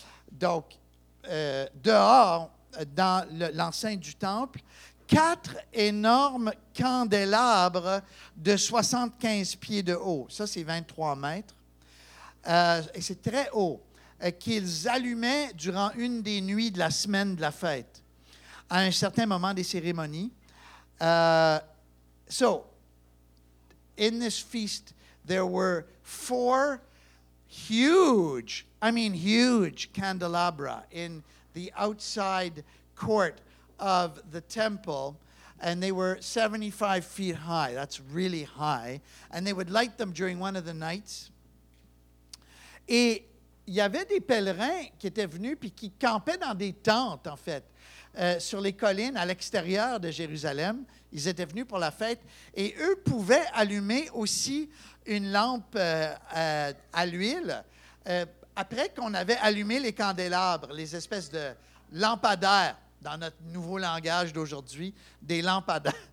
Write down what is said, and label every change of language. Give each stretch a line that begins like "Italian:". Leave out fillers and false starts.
French: Donc, dehors, dans l'enceinte du temple, quatre énormes candélabres de 75 pieds de haut. Ça, c'est 23 mètres. Et c'est très haut. Qu'ils allumaient durant une des nuits de la semaine de la fête, à un certain moment des cérémonies.
English: So, in this feast, there were four huge, I mean huge, candelabra in the outside court of the temple, and they were 75 feet high. That's really high. And they would light them during one of the nights.
French: Et il y avait des pèlerins qui étaient venus puis qui campaient dans des tentes, en fait, sur les collines à l'extérieur de Jérusalem. Ils étaient venus pour la fête et eux pouvaient allumer aussi une lampe à l'huile après qu'on avait allumé les candélabres, les espèces de lampadaires, dans notre nouveau langage d'aujourd'hui, des lampadaires.